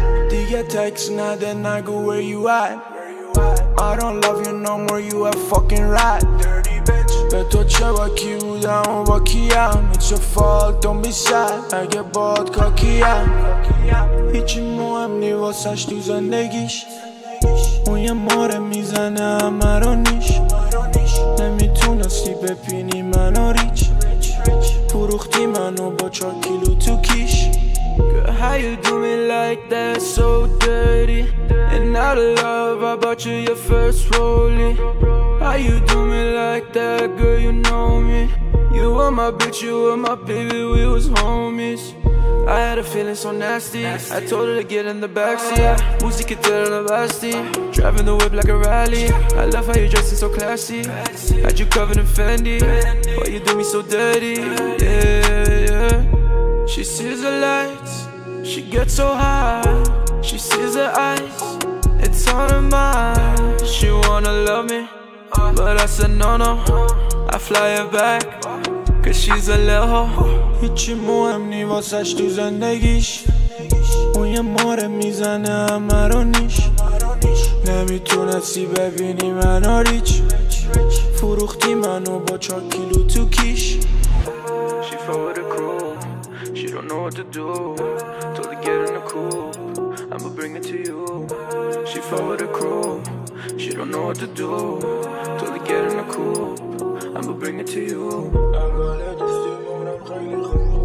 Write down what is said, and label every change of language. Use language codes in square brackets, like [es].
[fa] دیگه تکس نده نگو [en] where you at، I don't love you no more you a fucking rat، [fa] به تو چه با کی بودم و با کیم، [en] it's your fault don't be sad، [fa] اگه باد کاکیم هیچی مهم نی واسش تو زندگیش، اون یه ماره میزنه همه رو نیش، نمیتونستی بپینی منو ریچ، فروختی منو با 4 کیلو تو کیش. [en] Girl, how you do me like that so dirty and out of love, I bought you your first rollie. How you do me like that, girl, you know me, you were my bitch, you were my baby, we was homies. I had a feeling so nasty, I told her to get in the backseat. Uzi could tell her nasty, driving the whip like a rally. I love how you dressing so classy, had you covered in Fendi, why you do me so dirty, yeah. She sees the lights, she gets so high, she sees her eyes, it's on her mind. She wanna love me, but I said no no, I fly her back, cause she's a little ho. [fa] هیچی مهم نی واسش تو زندگیش، اون یه ماره میزنه همه رو نیش، نمیتونستی ببینی منو ریچ، فروختی منو با 4 کیلو تو کیش. [en] She fell with a crew, she don't know what to do, told her get in the coupe, I'ma bring it to you. She fell with a crew, she don't know what to do, told her get in the coupe, I'ma bring it to you. I'm gonna let you see what I'm bringing home.